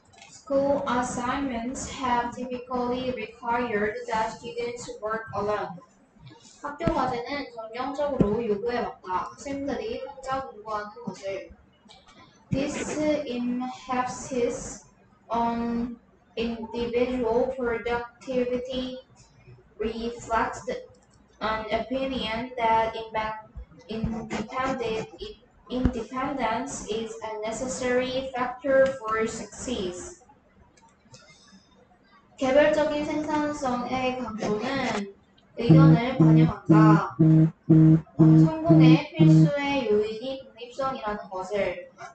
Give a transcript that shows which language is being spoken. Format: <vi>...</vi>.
<en>School assignments have typically required that students work alone.</en> <ko>학교 과제는 전형적으로 요구해 왔다. 학생들이 혼자 공부하는 것을.</ko> <en>This emphasis on individual productivity reflects an opinion that independence is a necessary factor for success.</en> <ko>개별적인 생산성의 강조는 의견을 반영한다. 성공의 필수의 요인이 독립성이라는 것을.</ko>